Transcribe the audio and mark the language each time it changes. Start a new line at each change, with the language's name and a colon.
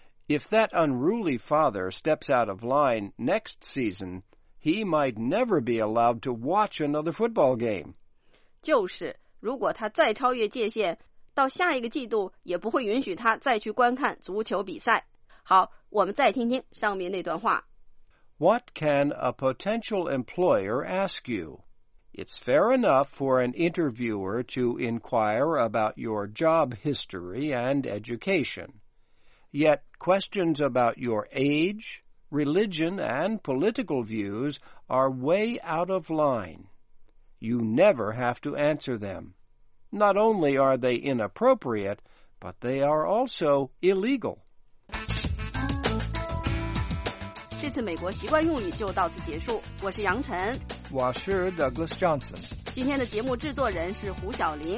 English: If that unruly father steps out of line next season, he might never be allowed to watch another football game.
Chinese: 就是如果他再超越界限，到下一个季度也不会允许他再去观看足球比赛。好，我们再听听上面那段话。
English: What can a potential employer ask you? It's fair enough for an interviewer to inquire about your job history and education. Yet questions about your age, religion, and political views are way out of line. You never have to answer them. Not only are they inappropriate, but they are also illegal.
Chinese: 这次美国习惯用语就到此结束。我是杨晨。我是 Douglas Johnson。今天的节目制作人是胡晓玲。